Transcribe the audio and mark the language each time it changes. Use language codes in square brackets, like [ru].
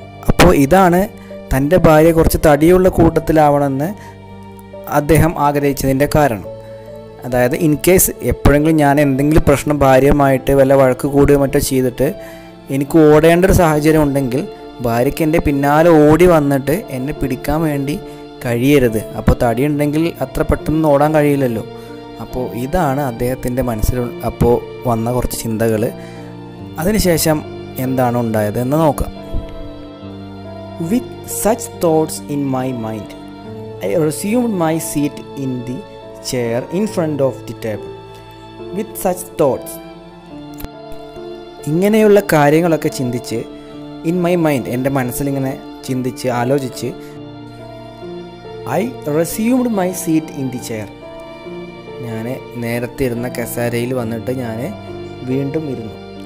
[ml] അപ്പോൾ ഇതാണ് തൻ്റെ ഭാര്യ കുറച്ച് തടിയുള്ള കൂട്ടത്തിലാവണമെന്ന് അദ്ദേഹം ആഗ്രഹിച്ചതിൻ്റെ കാരണം അതായത് ഇൻ കേസ് എപ്പോഴെങ്കിലും ഞാൻ എന്തെങ്കിലും പ്രശ്നം ഭാര്യയുമായിട്ട് വല്ല വഴക്ക് കൂടുകയോ മറ്റോ ചെയ്തിട്ട് എനിക്ക് ഓടേണ്ട ഒരു സാഹചര്യം ഉണ്ടെങ്കിൽ ഭാര്യയ്ക്ക് എൻ്റെ പിന്നാലെ ഓടി വന്നിട്ട് എന്നെ പിടിക്കാൻ വേണ്ടി കഴിയരുത് അപ്പോൾ തടി ഉണ്ടെങ്കിൽ അത്ര പെട്ടെന്ന് ഓടാൻ കഴിയില്ലല്ലോ അപ്പോൾ ഇതാണ് അദ്ദേഹത്തിൻ്റെ മനസ്സിൽ അപ്പോൾ വന്ന കുറച്ച് ചിന്തകൾ അതിനുശേഷം എന്താണ് ഉണ്ടായത് എന്ന് നോക്കാം. [en] With such thoughts in my mind, I resumed my seat in the chair in front of the table. With such thoughts, [ml] ഇങ്ങനെയുള്ള കാര്യങ്ങളൊക്കെ ചിന്തിച്ച്, [en] in my mind, [ml] എൻ്റെ മനസ്സിലിങ്ങനെ ചിന്തിച്ച് ആലോചിച്ച്, [en] I resumed my seat in the chair, [ml] ഞാൻ നേരത്തെ ഇരുന്ന കസേരയിൽ വന്നിട്ട് ഞാൻ വീണ്ടും ഇരുന്നു.